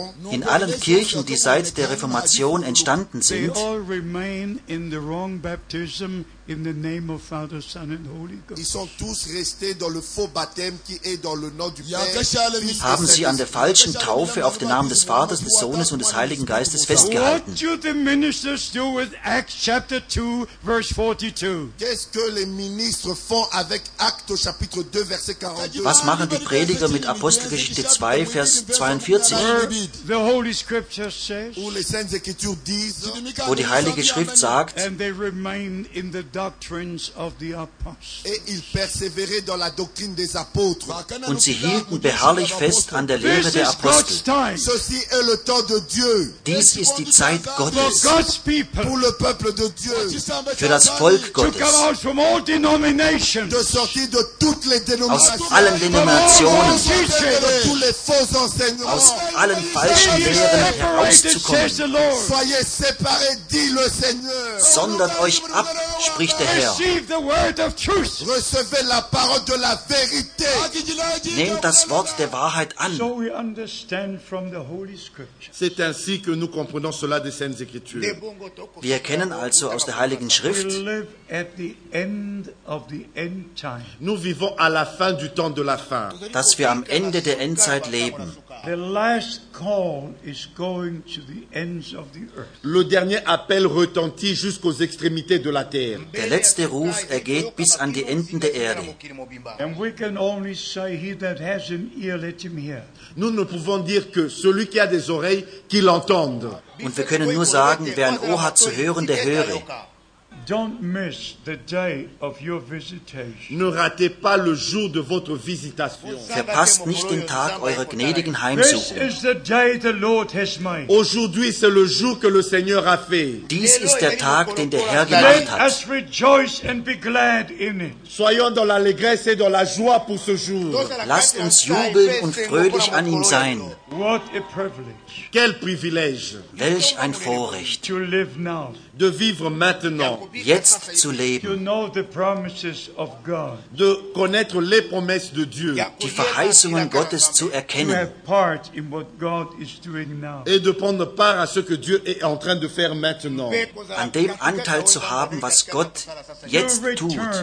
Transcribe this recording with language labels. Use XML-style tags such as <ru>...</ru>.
<de>In allen Kirchen, die seit der Reformation entstanden sind, haben sie an der falschen Taufe auf den Namen des Vaters, des Sohnes und des Heiligen Geistes festgehalten.</de> <en>What do the ministers do with Acts chapter 2, verse 42?</en> <fr>Qu'est-ce que les ministres font avec Actes chapitre 2, verset 42?</fr> <de>Was machen die Prediger mit Apostelgeschichte 2, Vers 42?</de> <en>The Holy Scripture says,</en> <fr>où les Saintes Écritures disent,</fr> <de>wo die Heilige Schrift sagt,</de> <en>and they remain in the doctrines of the apostles.</en> <fr>Et ils persévéraient dans la doctrine des apôtres.</fr> <de>Und sie hielten beharrlich fest an der Lehre der Apostel.</de> <fr>Ceci est le temps de Dieu.</fr> <de>Dies ist die Zeit Gottes.</de> <en>For God's people.</en> <fr>Pour le peuple de Dieu.</fr> <de>Für das Volk Gottes.</de> <en>To come out from all denominations.</en> <fr>De sortir de toutes les denominations.</fr> <de>Aus allen Denominationen.</de> <fr>De tous les faux enseignements.</fr> <de>Aus allen falschen Lehren herauszukommen.</de> <fr>Soyez séparés, dit le Seigneur.</fr> <de>Sondert euch ab, spricht der Herr.</de> <en>Receive the word of truth.</en> <fr>Recevez la parole de la vérité.</fr> <de>Nehmt das Wort der Wahrheit an.</de> <en>So we understand from the Holy Scripture.</en> <fr>C'est ainsi que nous comprenons cela des Saintes Écritures.</fr> <de>Wir erkennen also aus der Heiligen Schrift.</de> <en>We live at the end of the end time.</en> <fr>Nous vivons à la fin du temps de la fin.</fr> <de>Dass wir am Ende der Endzeit leben.</de> <en>The last call is going to the ends of the earth.</en> <fr>Le dernier appel retentit jusqu'aux extrémités de la terre.</fr> <de>Der letzte Ruf ergeht bis an die Enden der Erde.</de> <en>And we can only say, he that has an ear, let him hear.</en> <fr>Nous ne pouvons dire que celui qui a des oreilles, qu'il entende.</fr> <de>Und wir können nur sagen, wer ein Ohr hat zu hören, der höre.</de> <en>Don't miss the day of your visitation.</en> <fr>Ne ratez pas le jour de votre visitation.</fr> <de>Verpasst nicht den Tag eurer gnädigen Heimsuchung.</de> <en>This is the day the Lord has made.</en> <fr>Aujourd'hui c'est le jour que le Seigneur a fait.</fr> <de>Dies ist der Tag, den der Herr gemacht hat.</de> <en>Let us rejoice and be glad in it.</en> <fr>Soyons dans l'allégresse et dans la joie pour ce jour.</fr> <de>Lasst uns jubeln und fröhlich an ihm sein.</de> <en>What a privilege.</en> <fr>Quel privilège.</fr> <de>Welch ein Vorrecht.</de> <en>To live now.</en> <fr>De vivre maintenant.</fr> <de>Jetzt zu leben.</de> <en>To know the promises of God.</en> <fr>De connaître les promesses de Dieu.</fr> <de>Die Verheißungen Gottes zu erkennen.</de> <en>To have part in what God is doing now.</en> <fr>Et de prendre part à ce que Dieu est en train de faire maintenant.</fr> <de>An dem Anteil zu haben, was Gott jetzt tut.</de>